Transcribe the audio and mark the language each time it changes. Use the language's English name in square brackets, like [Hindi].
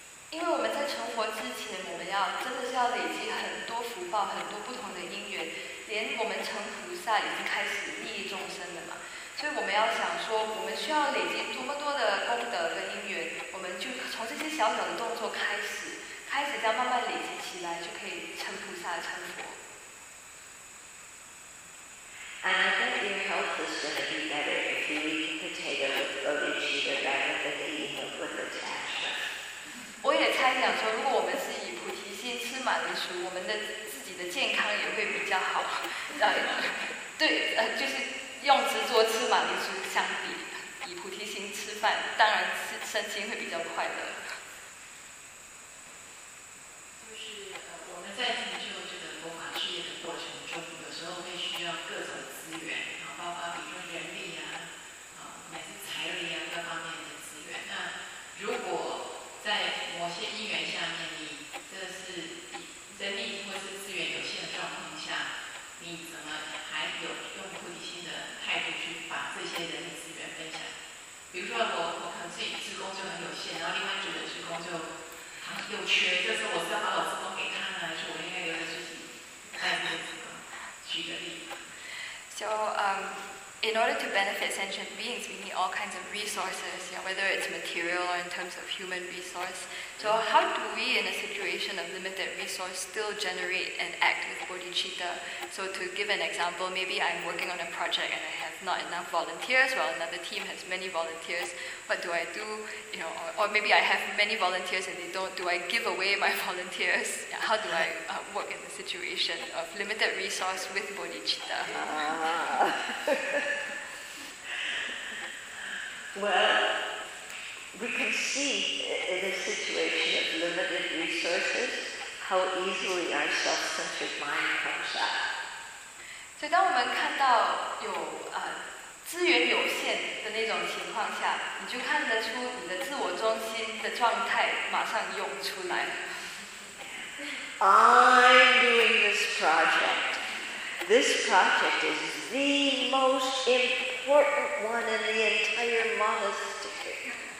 [Chinese] 因为我们在成佛之前，我们要真的是要累积很多福报，很多不同的因缘，连我们成菩萨已经开始利益众生了嘛，所以我们要想说，我们需要累积多么多的功德跟因缘，我们就从这些小小的动作开始这样慢慢累积起来，就可以成菩萨成佛。 [English] And I think your health is going to be better if you eat potato with bodhicitta rather than eating with attachment. [Chinese] 我也猜想说，如果我们是以菩提心吃马铃薯，我们的自己的健康也会比较好。对，就是用执着吃马铃薯相比，以菩提心吃饭，当然身心会比较快乐。就是我们在听就这个佛法事业的过程中，有时候会需要各种资源，然后包括比如说人力啊，乃至财力啊各方面。那如果在某些因缘下面，你这是人力或是资源有限的状况下，你怎么还有用菩提心的态度去把这些人力资源分享？比如说我可能自己志工就很有限，然后另外组的志工就又缺，这时候我是要把我志工给他呢，还是我应该留在自己带这个志工？举个例子。 [English] So, In order to benefit sentient beings, we need all kinds of resources, you know, whether it's material or in terms of human resource. So how do we, in a situation of limited resource, still generate and act with bodhicitta? So to give an example, maybe I'm working on a project and I have not enough volunteers, while another team has many volunteers. What do I do? You know, or maybe I have many volunteers and they don't. Do I give away my volunteers? Yeah, how do I work in a situation of limited resource with bodhicitta? Well, we can see in a situation of limited resources how easily our self-centered mind comes up. [Chinese] So, 当我们看到有资源有限的那种情况下，你就看得出你的自我中心的状态马上涌出来。 [English] I'm doing this project. This project is the most important one in the entire monastery.